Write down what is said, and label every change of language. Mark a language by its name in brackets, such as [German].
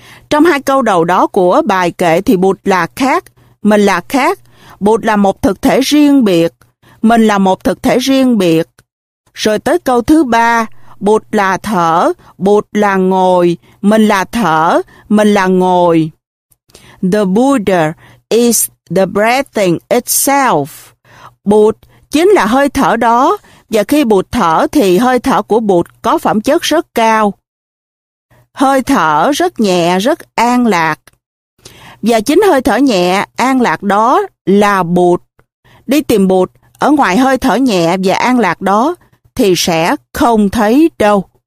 [Vietnamese] Trong hai câu đầu đó của bài kệ thì Bụt là khác, mình là khác. Bụt là một thực thể riêng biệt, mình là một thực thể riêng biệt. Rồi tới câu thứ ba, Bụt là thở, Bụt là ngồi, mình là thở, mình là ngồi. [English] The Buddha is the breathing itself. [Vietnamese] Bụt chính là hơi thở đó, và khi Bụt thở thì hơi thở của Bụt có phẩm chất rất cao. Hơi thở rất nhẹ, rất an lạc. Và chính hơi thở nhẹ, an lạc đó là Bụt. Đi tìm Bụt ở ngoài hơi thở nhẹ và an lạc đó thì sẽ không thấy đâu.